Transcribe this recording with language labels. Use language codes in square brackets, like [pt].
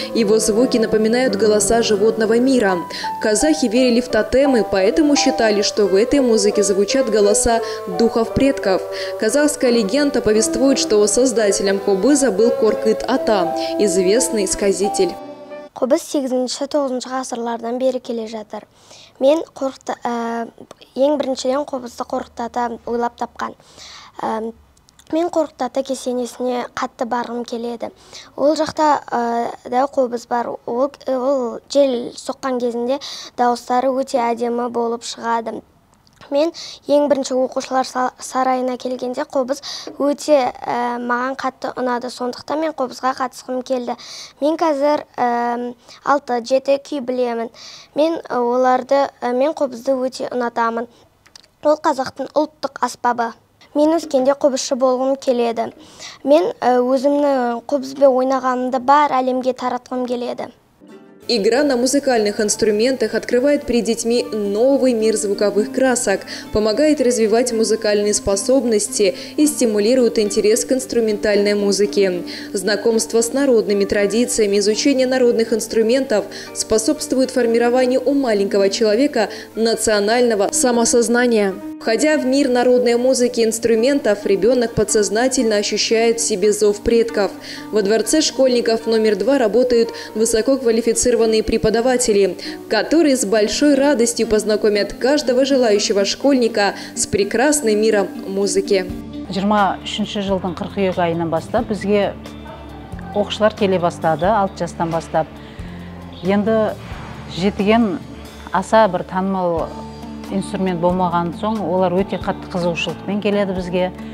[ru] Его звуки напоминают голоса животного мира. Казахи верили в тотемы, поэтому считали, что в этой музыке звучат голоса духов предков. Казахская легенда повествует, что создателем кубыса был Коркыт-Ата, известный сказитель. [kk] Кубыс 8-9 ғасырлардан бері келе жатыр. Мен ең біріншіден кубысты Қорқыт-Ата ойлап тапқан. Мен Қорқыт-Ата кесенесіне қатты барғым келеді. Ол жақта да кубыс бар. Ол жел соққан кезінде дауыстары өте әдемі болып шығады. Мен ең бірінші оқушылар сарайына келгенде қобыз өте маған қатты ұнады, сондықтан мен қобызға қатысқым келді. Мен қазір 6-7 күй білемін. Мен қобызды өте ұнатамын. Ол қазақтың ұлттық аспабы. Мен өскенде қобызшы болғым келеді. Мен өзімнің қобызбен ойнағанымды бар әлемге таратқым келеді. [ru] Игра на музыкальных инструментах открывает перед детьми новый мир звуковых красок, помогает развивать музыкальные способности и стимулирует интерес к инструментальной музыке. Знакомство с народными традициями, изучение народных инструментов способствует формированию у маленького человека национального самосознания. Входя в мир народной музыки инструментов, ребенок подсознательно ощущает в себе зов предков. Во дворце школьников номер 2 работают высококвалифицированные преподаватели, которые с большой радостью познакомят каждого желающего школьника с прекрасным миром музыки. [kk] 23-ші жылдың 42 айынан бастап, бізге оқушылар келе бастады, 6 жастан бастап. Енді жетіген аса бір танымал инструмент болмаған соң, олар өте қатты қызығушылықпен келеді бізге.